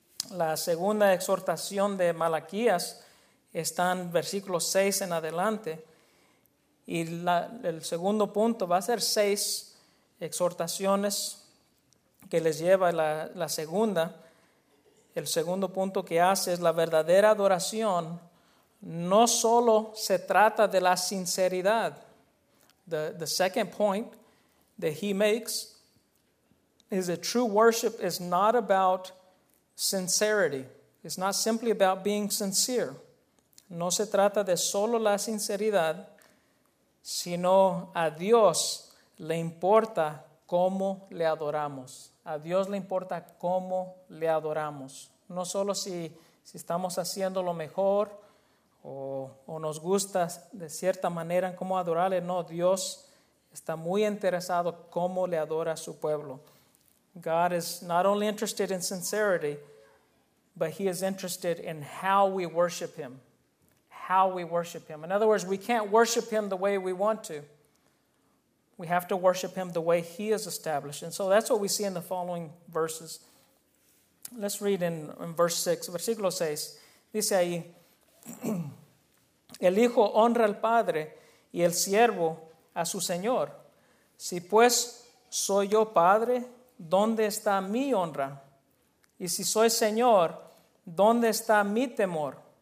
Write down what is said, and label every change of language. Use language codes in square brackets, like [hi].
[es] La segunda exhortación de Malaquías está en versículo 6 en adelante, y el segundo punto va a ser 6 exhortaciones que les lleva la segunda. El segundo punto que hace es la verdadera adoración no solo se trata de la sinceridad. [en] The second point that he makes is that true worship is not about sincerity. It's not simply about being sincere. [es] No se trata de solo la sinceridad, sino a Dios le importa cómo le adoramos. A Dios le importa cómo le adoramos. No solo si estamos haciendo lo mejor o nos gusta de cierta manera en cómo adorarle. No, Dios está muy interesado cómo le adora a su pueblo. [en] God is not only interested in sincerity, but he is interested in how we worship him. How we worship him. In other words, we can't worship him the way we want to. We have to worship him the way he is established. And so that's what we see in the following verses. Let's read in verse 6, [es] versículo 6. Dice ahí, el hijo honra al padre y el siervo a su señor. Si pues soy yo padre, ¿dónde está mi honra? Y si soy señor, ¿dónde está mi temor?